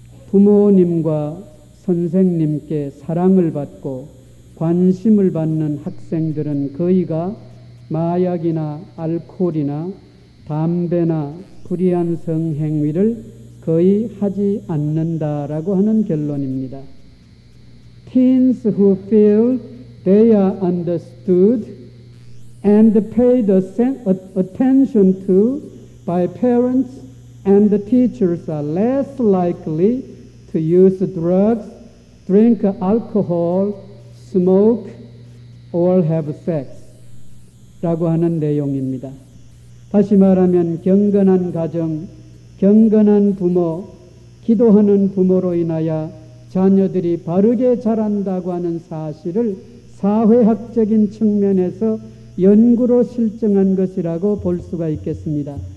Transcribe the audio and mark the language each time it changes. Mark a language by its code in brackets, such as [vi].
[ko] 부모님과 선생님께 사랑을 받고 관심을 받는 학생들은 거의가 마약이나 알코올이나 담배나 불의한 성행위를 거의 하지 않는다라고 하는 결론입니다. [en] Teens who feel they are understood and paid attention to by parents and the teachers are less likely to use drugs, drink alcohol, smoke, or have sex [ko] 라고 하는 내용입니다. 다시 말하면 경건한 가정, 경건한 부모, 기도하는 부모로 인하여 자녀들이 바르게 자란다고 하는 사실을 사회학적인 측면에서 연구로 실증한 것이라고 볼 수가 있겠습니다.